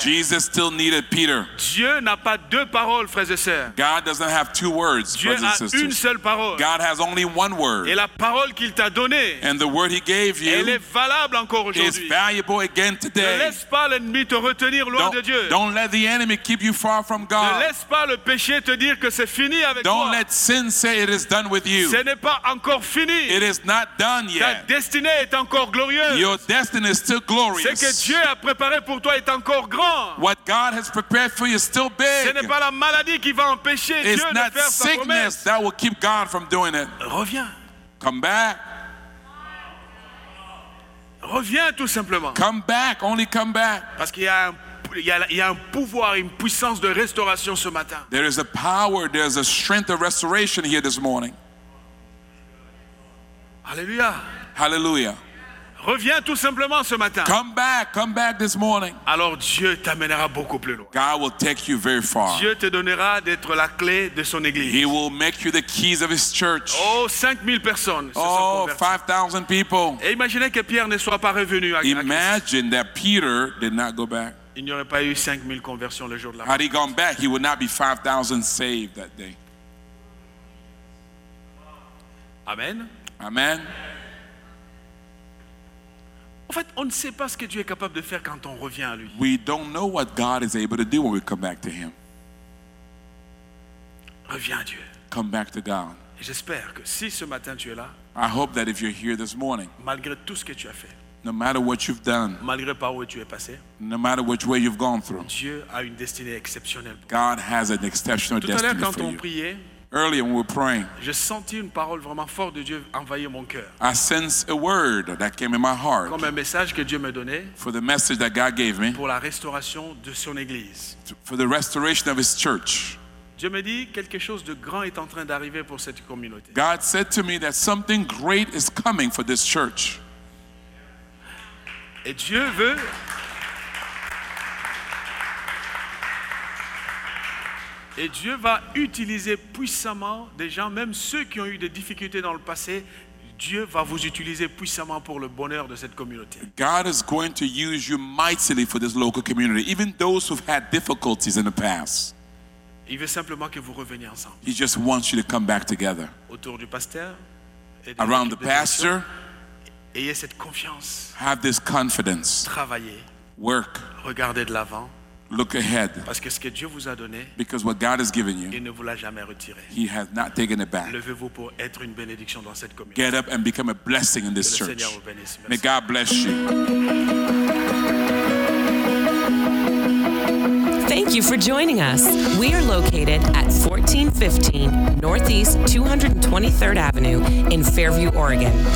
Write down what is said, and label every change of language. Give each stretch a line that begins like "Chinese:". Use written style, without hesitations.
English: Jesus still needed Peter.
French: Dieu n'a pas deux paroles, frères et sœurs.
English: God doesn't have two words,
French: Dieu
English: brothers and sisters.
French: Dieu a une seule parole.
English: God has only one word.
French: Et la parole qu'il t'a donnée.
English: And the word he gave you.
French: Elle est valable encore aujourd'hui.
English: Again today.
French: Ne laisse pas l'ennemi te retenir loin de Dieu.
English: Don't let the enemy keep you far from God.
French: Ne laisse pas le péché te dire que c'est fini avec toi.
English: Don't let sin say it is done with you.
French: Ce n'est pas encore fini.
English: It is not done yet.
French: Ta destinée est encore glorieuse.
English: Your destiny is still glorious.
French: Ce que Dieu a préparé pour toi est encore grand.
English: What God has prepared for you is still big.
French: Ce n'est pas la maladie qui va empêcher Dieu de faire sa promesse.
English: It's not sickness that will keep God from doing it.
French: Reviens.
English: Come back.
French: Reviens tout simplement.
English: Come back, only come back.
French: Parce qu'il y a un pouvoir, une puissance de restauration ce matin.
English: There is a power, there is a strength of restoration here this morning.
French: Alléluia.
English: Hallelujah.
French: Reviens tout simplement ce matin.
English: Come back this morning.
French: Alors Dieu t'amènera beaucoup plus loin.
English: God will take you very far.
French: Dieu te donnera d'être la clé de son église.
English: He will make you the keys of his church.
French: Oh, 5000 personnes se sont converties.
English: Oh, 5000 people.
French: Et imaginez que Pierre ne soit pas revenu à Christ.
English: Imagine that Peter did not go back.
French: Il n'y aurait pas eu 5000 conversions le jour de la.
English: Had he gone back, he would not be 5000 saved that day.
French: Amen.
English: Amen.
French: En fait, on ne sait pas ce que Dieu est capable de faire quand on revient à lui.
English: We don't know what God is able to do when we come back to him.
French: Reviens à Dieu.
English: Come back to God.
French: Et j'espère que si ce matin tu es là,
English: I hope that if you're here this morning,
French: malgré tout ce que tu as fait,
English: no matter what you've done,
French: malgré par où tu es passé,
English: no matter which way you've gone through,
French: Dieu a une destinée exceptionnelle.
English: God has an exceptional destiny for you.
French: Tout à l'heure, quand on priait,
English: earlier when we were praying,
French: je sentis une parole vraiment forte de Dieu envahir mon cœur.
English: I sensed a word that came in my heart.
French: Comme un message que Dieu me donnait.
English: For the message that God gave me.
French: Pour la restauration de son église.
English: For the restoration of his church.
French: Dieu me dit quelque chose de grand est en train d'arriver pour cette communauté.
English: God said to me that something great is coming for this church.
French: Et Dieu veut. Et Dieu va utiliser puissamment des gens, même ceux qui ont eu des difficultés dans le passé. Dieu va vous utiliser puissamment pour le bonheur de cette communauté.
English: God is going to use you mightily for this local community, even those who've had difficulties in the past.
French: Il veut simplement que vous reveniez ensemble.
English: He just wants you to come back together.
French: Autour du pasteur.
English: Around the pastor.
French: Ayez cette confiance.
English: Have this confidence.
French: Travaillez.
English: Work.
French: Regardez de l'avant.
English: Look ahead.
French: Parce que ce que Dieu vous a donné,
English: because what God has given you,
French: il ne vous l'a jamais retiré.
English: He has not taken it back.
French: Levez-vous pour être une bénédiction dans cette communauté.
English: Get up and become a blessing in this church.
French: Que le Seigneur vous bénisse.
English: May God bless you. Thank you for joining us. We are located at 1415 Northeast 223rd Avenue in Fairview, Oregon.